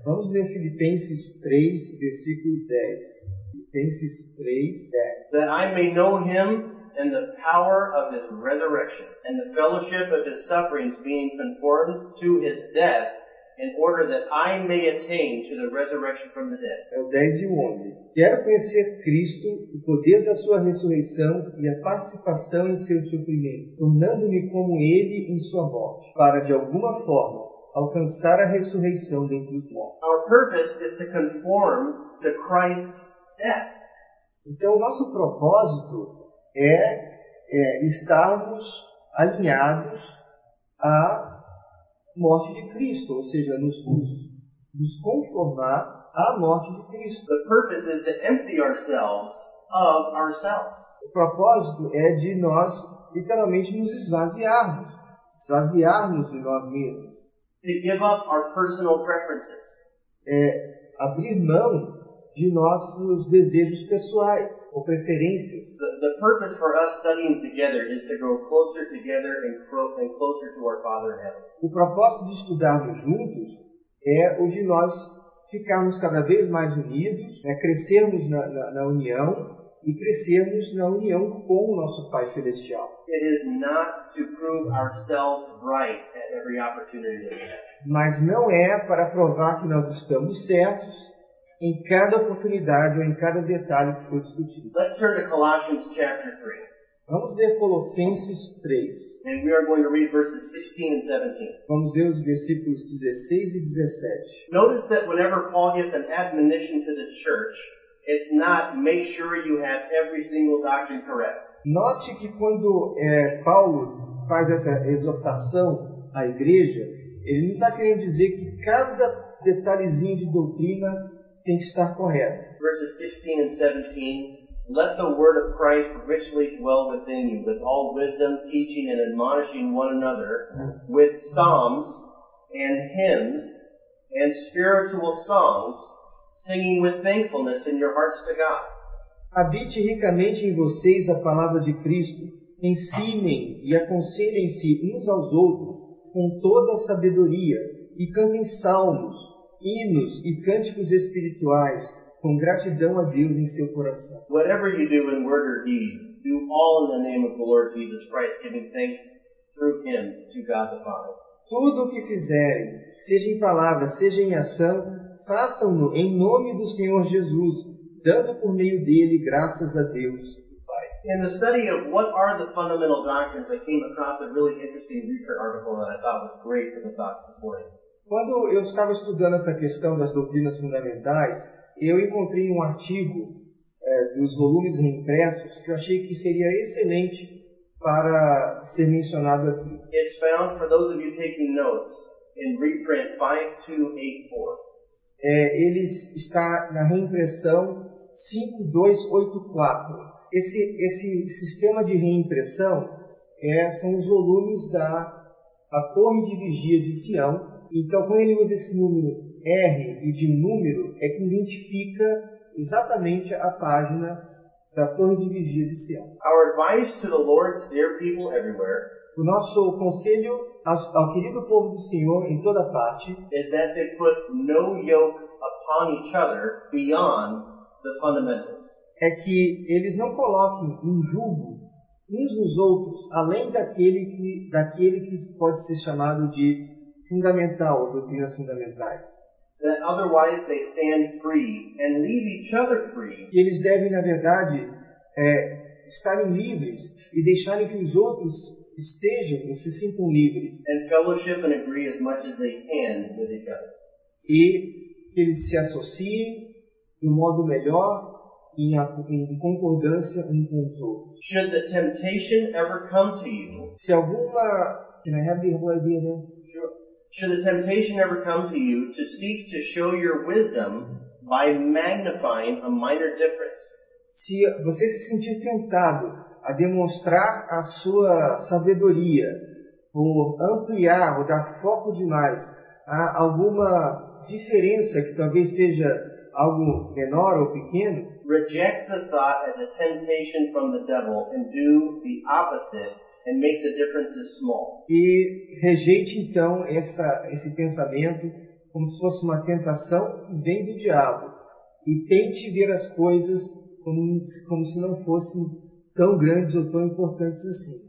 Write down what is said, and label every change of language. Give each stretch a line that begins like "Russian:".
Portuguese: Vamos ler Filipenses 3, versículo 10. Filipenses 3, 10.
English: That I may know him and the power of his resurrection, and the fellowship of his sufferings being conformed to his death, in order that I may attain to the resurrection from the dead.
Portuguese: É o 10 e o 11. Quero conhecer Cristo, o poder da sua ressurreição e a participação em seu sofrimento, tornando-me como ele em sua morte, para de alguma forma alcançar a ressurreição dentre os mortos.
English: Our purpose is to conform to Christ's death.
Portuguese: Então o nosso propósito é estarmos alinhados à morte de Cristo, ou seja, nos conformar à morte de Cristo.
English: The purpose is to empty ourselves of ourselves.
Portuguese: O propósito é de nós literalmente nos esvaziarmos de nós mesmos.
English: To give up our personal preferences.
Portuguese: É abrir mão de nossos desejos pessoais ou preferências.
English: The purpose for us studying together is to grow closer together and closer to our Father in heaven.
Portuguese: O propósito de estudarmos juntos é o de nós ficarmos cada vez mais unidos, crescermos na união e crescermos na união com o nosso Pai Celestial.
English: It is not to prove ourselves right at every opportunity that we have.
Portuguese: Mas não é para provar que nós estamos certos em cada oportunidade ou em cada detalhe que foi discutido.
English: Let's turn to Colossians chapter 3.
Portuguese: Vamos ler Colossenses 3.
English: And we are going to read verses 16 and 17.
Portuguese: Vamos ler os versículos 16 e 17.
English: Notice that whenever Paul gives an admonition to the church, it's not make sure you have every single doctrine correct.
Portuguese: Note que quando Paulo faz essa exortação à igreja, ele não está querendo dizer que cada detalhezinho de doutrina tem que estar correto.
English: Verses 16 and 17. Let the word of Christ richly dwell within you, with all wisdom, teaching and admonishing one another, with psalms and hymns and spiritual songs, singing with thankfulness in your hearts to God.
Portuguese: Habite ricamente em vocês a palavra de Cristo. Ensinem e aconselhem-se uns aos outros com toda a sabedoria, e cantem salmos, hinos e cânticos espirituais com gratidão a Deus em seu coração.
English: Whatever you do in word or deed, do all in the name of the Lord Jesus Christ, giving thanks through him to God the Father.
Portuguese: Tudo o que fizerem, seja em palavra, seja em ação, façam-no em nome do Senhor Jesus, dando por meio dele graças a Deus Pai.
English: In the study of what are the fundamental doctrines, I came across a really interesting research article that I thought was great for the thoughts this morning.
Portuguese: Quando eu estava estudando essa questão das doutrinas fundamentais, eu encontrei um artigo dos volumes reimpressos que eu achei que seria excelente para ser mencionado aqui.
English: It's found, for those of you taking notes, in reprint 5284.
Portuguese: eles está na reimpressão 5284. Esse sistema de reimpressão são os volumes da Torre de Vigia de Sião. Então, quando ele usa esse número R e de um número, é que identifica exatamente a página da Torre de Vigia de Sião.
English: Our advice to the Lord's dear people everywhere.
Portuguese: O nosso conselho ao querido povo do Senhor em toda parte
English: is that they put no yoke upon each other beyond the fundamentals.
Portuguese: É que eles não coloquem um jugo uns nos outros além daquele que pode ser chamado de fundamental, doutrinas fundamentais.
English: That otherwise they stand free and leave each other free.
Portuguese: E eles devem, na verdade, estarem livres e deixarem que os outros estejam ou se sintam livres.
English: And fellowship and agree as much as they can with each other.
Portuguese: E que eles se associem do modo melhor em concordância um com o outro.
English: Should the temptation ever come to you?
Portuguese: Se alguma...
English: Can I have the whole idea then? Sure. Should the temptation ever come to you to seek to show your wisdom by magnifying a minor difference?
Portuguese: Se você se sentir tentado a demonstrar a sua sabedoria por ampliar ou dar foco demais a alguma diferença que talvez seja algo menor ou pequeno,
English: reject the thought as a temptation from the devil and do the opposite and make the differences small.
Portuguese: E rejeite então esse pensamento como se fosse uma tentação que vem do diabo e tente ver as coisas como se não fossem tão grandes ou tão importantes assim.